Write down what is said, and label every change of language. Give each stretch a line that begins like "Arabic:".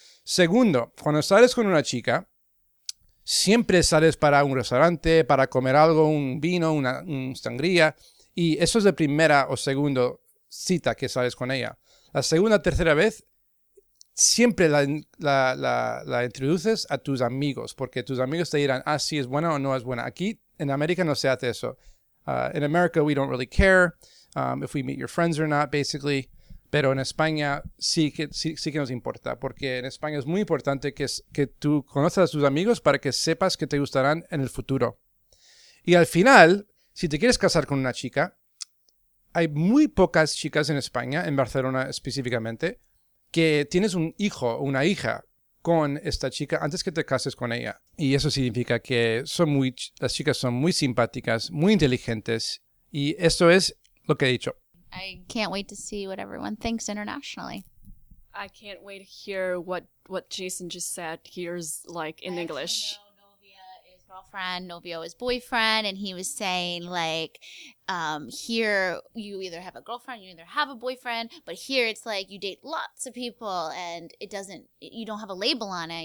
Spanish: Segundo, cuando sales con una chica, siempre sales para un restaurante, para comer algo, un vino, una sangría. Y eso es de primera o segunda cita que sales con ella. La segunda o tercera vez, siempre la introduces a tus amigos, porque tus amigos te dirán, ah, sí, es buena o no es buena. Aquí, en América, no se hace eso.
English: In America, we don't really care if we meet your friends or not, basically.
Spanish: Pero en España, sí que nos importa, porque en España es muy importante que tú conozcas a tus amigos para que sepas que te gustarán en el futuro. Y al final, si te quieres casar con una chica, hay muy pocas chicas en España, en Barcelona específicamente, que tienes un hijo o una hija con esta chica antes que te cases con ella. Y eso significa que las chicas son muy simpáticas, muy inteligentes. Y esto es lo que he dicho.
English: I can't wait to see what everyone thinks internationally. I can't wait to hear what Jason just said. Here's like in English. Girlfriend, novio is boyfriend, and he was saying like, here you either have a girlfriend, you either have a boyfriend, but here it's like you date lots of people, and you don't have a label on it.